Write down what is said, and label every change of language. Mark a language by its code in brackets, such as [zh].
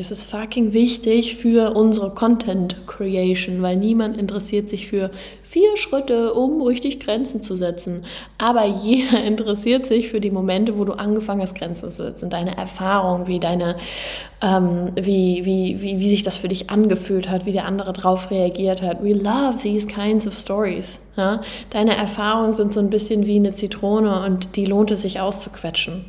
[de] Es ist fucking wichtig für unsere Content Creation, weil niemand interessiert sich für 4 Schritte, um richtig Grenzen zu setzen. Aber jeder interessiert sich für die Momente, wo du angefangen hast, Grenzen zu setzen. Deine Erfahrung, wie sich das für dich angefühlt hat, wie der andere drauf reagiert hat. [en] We love these kinds of stories. [de] Ja? Deine Erfahrungen sind so ein bisschen wie eine Zitrone und die lohnt es sich auszuquetschen.